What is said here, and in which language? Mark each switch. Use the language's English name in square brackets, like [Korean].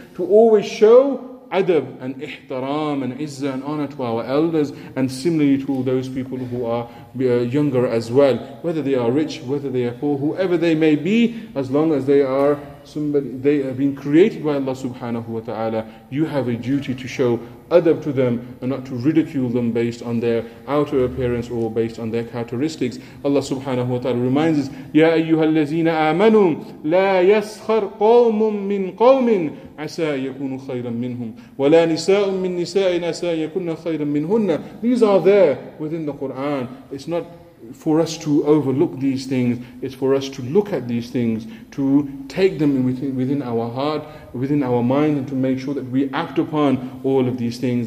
[English] to always show adab and ihtaram and izzah and honor to our elders, and similarly to those people who are younger as well, whether they are rich, whether they are poor, whoever they may be, as long as they are somebody, they have been created by Allah subhanahu wa ta'ala, you have a duty to show adab to them and not to ridicule them based on their outer appearance or based on their characteristics. [Arabic] Allah subhanahu wa ta'ala [English] reminds us, [Arabic] يَا أَيُّهَا الَّذِينَ آمَنُوا لَا يَسْخَرْ قَوْمٌ مِّن قَوْمٍ عَسَىٰ يَكُونُ خَيْرًا مِّنْهُمْ وَلَا نِسَاءٌ مِّن نِسَاءٍ عَسَىٰ يَكُنَّ خَيْرًا مِّنْهُنَّ. [English] These are there within the Qur'an. It's not for us to overlook these things, it's for us to look at these things, to take them within our heart, within our mind, and to make sure that we act upon all of these things.